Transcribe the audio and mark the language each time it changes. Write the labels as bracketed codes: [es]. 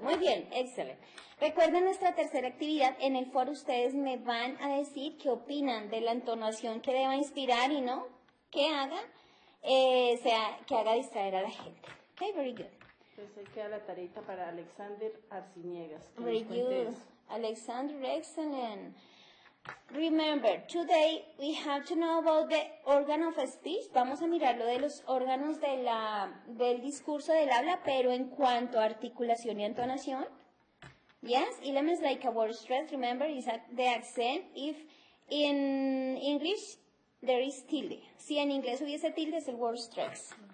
[es] Muy bien, excelente. Recuerden nuestra tercera actividad. En el foro ustedes me van a decir qué opinan de la entonación que deba inspirar y no. Que haga, sea, que haga distraer a la gente. [en] Okay, very good. [es] Entonces ahí queda la tarita para Alexander Arciniegas. [en] Very good. Alexander, excellent. Remember, today we have to know about the organ of speech. [es] Vamos a mirar lo de los órganos de la, del discurso, del habla, pero en cuanto a articulación y entonación. [en] Yes, ilem is like a word stress. Remember, it's the accent. If in English... There is tilde. [es] Si en inglés hubiese tilde, es el word stress.